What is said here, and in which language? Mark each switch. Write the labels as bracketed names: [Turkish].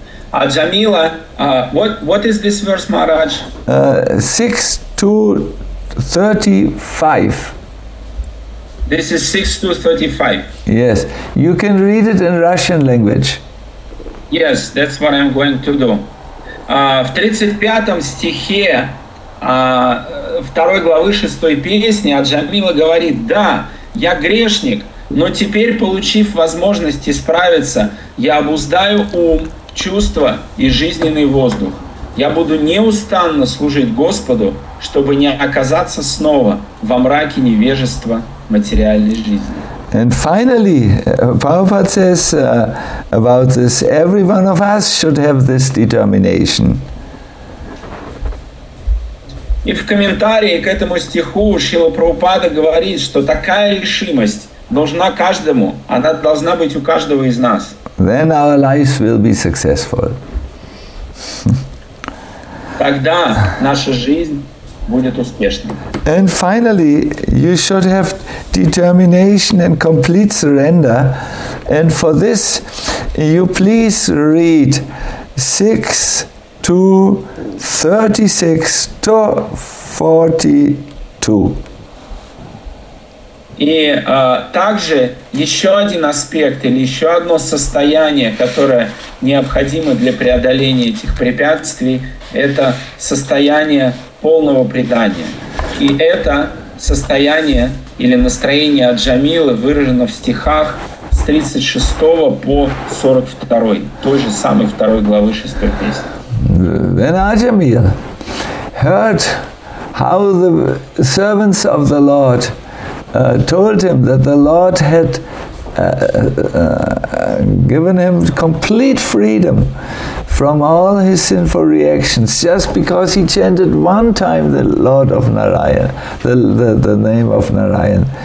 [English] А Джамила, what is this verse, Maharaj? 6 to 35. This is 6 to 35. Yes, you can read it in Russian language. Yes, that's what I'm going to do. [Russian] В 35 стихе 2 главы 6 песни Джамила говорит: «Да, я грешник, но теперь, получив возможность исправиться, я обуздаю ум, чувства и жизненный воздух. Я буду неустанно служить Господу, чтобы не оказаться снова во мраке невежества материальной жизни». [English] And finally, Prabhupada says about this, every one of us should have this determination. [Russian] И в комментарии к этому стиху Шрила Прабхупада говорит, что такая решимость нужна каждому, она должна быть у каждого из нас. [English] Then our lives will be successful. [Russian] Тогда наша жизнь будет успешным. [English] And finally, you should have determination and complete surrender. And for this, you please read 6:36-42. [Russian] И также еще один аспект или еще одно состояние, которое необходимо для преодоления этих препятствий, это состояние полного предания. И это состояние или настроение Аджамилы выражено в стихах с 36 по 42, той же самой второй главы 6 песни. [English] When Ajamil heard how the servants of the Lord told him that the Lord had given him complete freedom from all his sinful reactions just because he chanted one time the Lord of Narayan, the name of Narayan.